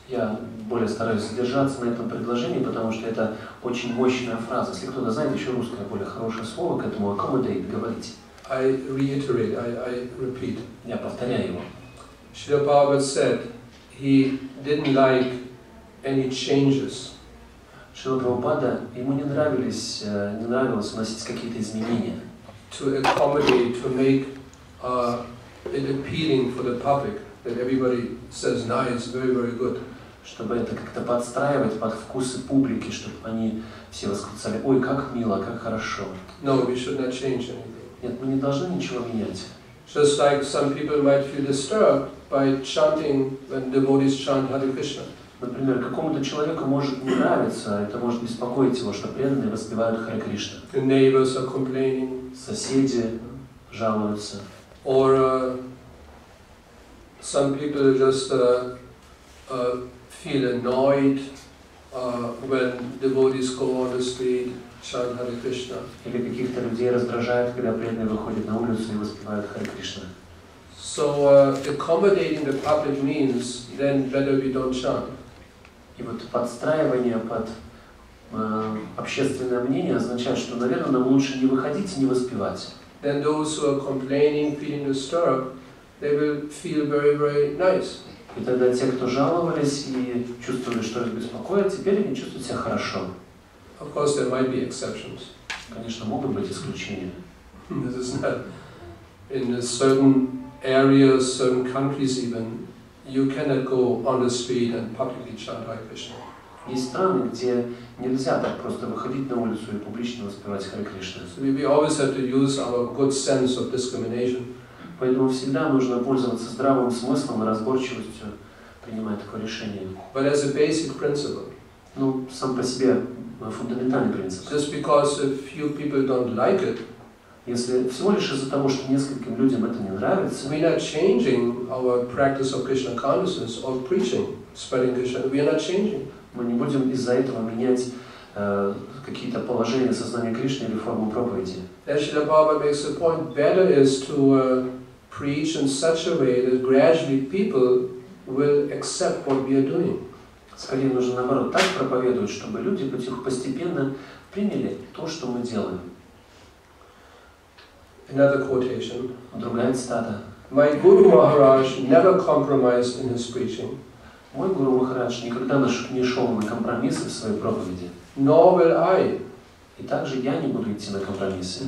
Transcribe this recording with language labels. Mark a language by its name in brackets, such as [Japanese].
[Russian] Я более стараюсь задержаться на этом предложении, потому что это очень мощная фраза. Если кто-то знает еще русское более хорошее слово к этому accommodate, говорите. [English] I reiterate. I repeat. [Russian] Я повторяю его. [English] Śrīla Prabhupāda said he didn't like any changes. [Russian] Śrīla Prabhupāda, ему не нравилось вносить какие-то изменения. [English] To accommodate, to make it appealing for the public, that everybody says nice, very, very good. [Russian] Чтобы это как-то подстраивать под вкусы публики, чтобы они все восклицали, ой, как мило, как хорошо. [English] No, we should not change anything. [Russian] Нет, мы не должны ничего менять. [English] Just like some people might feel disturbed by chanting when devotees chant Hare Krishna. [Russian] Например, какому-то человеку может не нравиться, это может беспокоить его, что преданные воспевают Харе Кришна. [English] The neighbors are complaining. [Russian] Соседи жалуются. [English] Or some people just feel annoyed when devotees go on the street chant Hare Krishna. [Russian] Или каких-то людей раздражает, когда преданные выходят на улицу и воспевают Харе Кришна. [English] So accommodating the public means then better we don't chant. [Russian] И вот подстраивание под общественное мнение означает, что, наверное, нам лучше не выходить и не воспевать. [English] Then those who are complaining, feeling disturbed, they will feel very, very nice. [Russian] И тогда те, кто жаловались и чувствовали, что их беспокоит, теперь они чувствуют себя хорошо. [English] Of course, there might be exceptions. [Russian] Конечно, могут быть исключения. [English] This is not in a certain areas, certain countries even, you cannot go on the street and publicly chant Hare Krishna. [Russian] Есть страны, где нельзя так просто выходить на улицу и публично воспевать Харе Кришна. [English] So we always have to use our good sense of discrimination. [Russian] Поэтому всегда нужно пользоваться здравым смыслом и разборчивостью, принимая такое решение. [English] But as a basic principle. [Russian] Ну, сам по себе фундаментальный принцип. [English] Just because a few people don't like it. [Russian] Если всего лишь из-за того, что нескольким людям это не нравится. [English] We are not changing our practice of Krishna consciousness or preaching, spreading Krishna. We are not changing. [Russian] Мы не будем из-за этого менять какие-то положения сознания Кришны или форму проповеди. [English] As Śrīla Prabhupāda makes the point, better is to preach in such a way that gradually people will accept what we are doing. [Russian] Скорее нужно наоборот так проповедовать, чтобы люди постепенно приняли то, что мы делаем. [English] Another quotation. [Russian] Другая цитата. [English] My Guru Maharaj never compromised in his preaching. [Russian] Мой Гуру Махарадж никогда не шел на компромиссы в своей проповеди. [English] Nor will I. [Russian] И также я не буду идти на компромиссы.